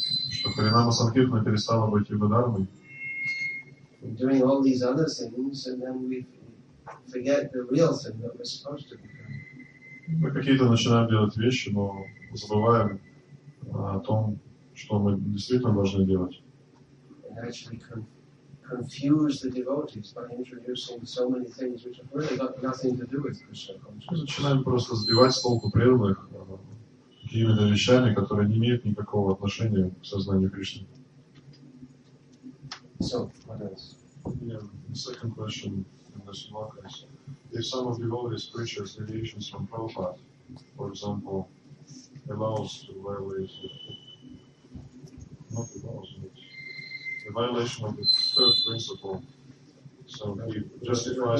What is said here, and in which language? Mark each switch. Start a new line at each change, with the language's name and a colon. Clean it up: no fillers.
Russian: Что харинама санкиртана перестала быть юга дхармой?
English: Doing all these other things, and then we forget the real thing that we're supposed to be doing.
Russian: Мы какие-то начинаем делать вещи, но забываем о том, что мы действительно должны делать.
English: And actually confuse the devotees by introducing so many things which have really got nothing to do with Krishna consciousness.
Russian: Начинаем просто сбивать с толку преданных какими-то вещами, которые не имеют никакого отношения к сознанию Кришны.
English: So, what else? Yeah, the second question in this block is, if some of the devotees preach as deviations from Prabhupada, for example, allows to violate, not allows, but the violation of the third principle, so he justifies...